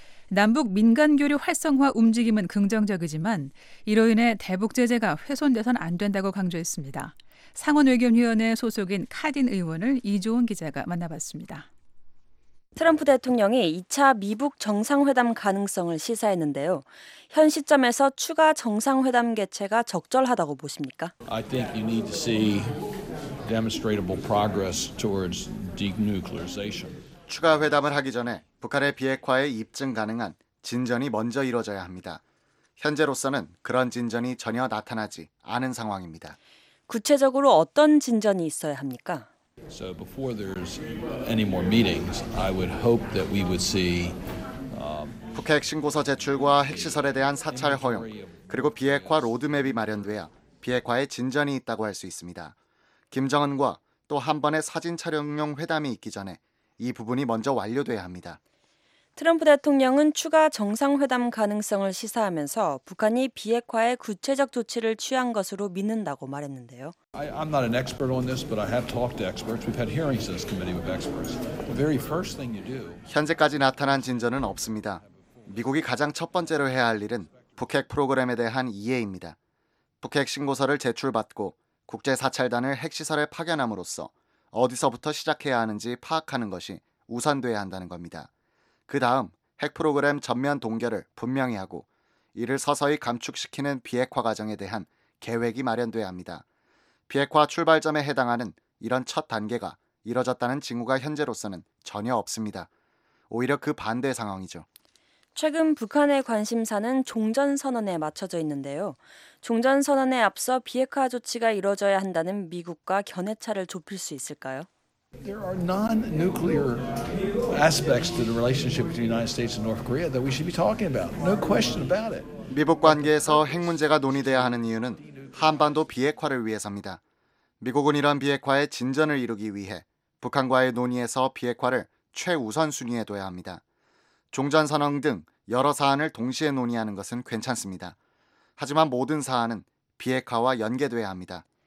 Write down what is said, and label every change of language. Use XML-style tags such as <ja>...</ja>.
<ko>남북 민간교류 활성화 움직임은 긍정적이지만 이로 인해 대북제재가 훼손돼서는 안 된다고 강조했습니다. 상원외교위원회 소속인 카딘 의원을 이조은 기자가 만나봤습니다. 트럼프 대통령이 2차 미북 정상회담 가능성을 시사했는데요. 현 시점에서 추가 정상회담 개최가 적절하다고 보십니까?</ko> <en>I think you need to see demonstrable progress towards denuclearization.</en> <ko>추가 회담을 하기 전에 북한의 비핵화에 입증 가능한 진전이 먼저 이루어져야 합니다. 현재로서는 그런 진전이 전혀 나타나지 않은 상황입니다. 구체적으로 어떤 진전이 있어야 합니까?</ko> <en>So before there's any more meetings, I would hope that we would see</en> <ko>북핵 신고서 제출과 핵시설에 대한 사찰 허용, 그리고 비핵화 로드맵이 마련돼야 비핵화에 진전이 있다고 할 수 있습니다. 김정은과 또 한 번의 사진 촬영용 회담이 있기 전에 이 부분이 먼저 완료돼야 합니다. 트럼프 대통령은 추가 정상회담 가능성을 시사하면서 북한이 비핵화에 구체적 조치를 취한 것으로 믿는다고 말했는데요.</ko> <en>I'm not an expert on this, but I have talked to experts. We've had hearings in this committee with experts. The very first thing you do.</en> <ko>현재까지 나타난 진전은 없습니다. 미국이 가장 첫 번째로 해야 할 일은 북핵 프로그램에 대한 이해입니다. 북핵 신고서를 제출받고 국제 사찰단을 핵시설에 파견함으로써 어디서부터 시작해야 하는지 파악하는 것이 우선돼야 한다는 겁니다. 그 다음 핵 프로그램 전면 동결을 분명히 하고 이를 서서히 감축시키는 비핵화 과정에 대한 계획이 마련돼야 합니다. 비핵화 출발점에 해당하는 이런 첫 단계가 이뤄졌다는 징후가 현재로서는 전혀 없습니다. 오히려 그 반대 상황이죠. 최근 북한의 관심사는 종전선언에 맞춰져 있는데요. 종전선언에 앞서 비핵화 조치가 이뤄져야 한다는 미국과 견해차를 좁힐 수 있을까요?</ko> <en>There are non-nuclear aspects to the relationship between the United States and North Korea that we should be talking about. No question about it.</en> <ko>미북 관계에서 핵 문제가 논의돼야 하는 이유는 한반도 비핵화를 위해서입니다. 미국은 이런 비핵화의 진전을 이루기 위해 북한과의 논의에서 비핵화를 최우선 순위에 둬야 합니다. 종전선언 등 여러 사안을 동시에 논의하는 것은 괜찮습니다. 하지만 모든 사안은 비핵화와 연계돼야 합니다.</ko>